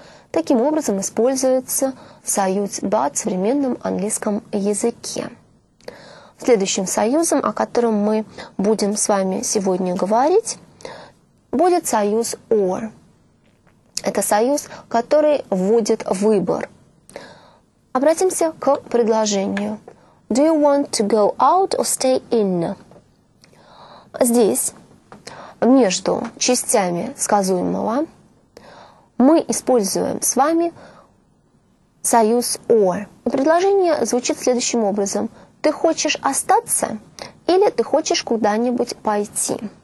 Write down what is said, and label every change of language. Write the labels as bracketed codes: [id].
[ru] Таким образом используется союз but в современном английском языке. Следующим союзом, о котором мы будем с вами сегодня говорить, будет союз or. Это союз, который вводит выбор. Обратимся к предложению. [en] Do you want to go out or stay in? [ru] Здесь между частями сказуемого мы используем с вами союз or. Предложение звучит следующим образом. Ты хочешь остаться или ты хочешь куда-нибудь пойти?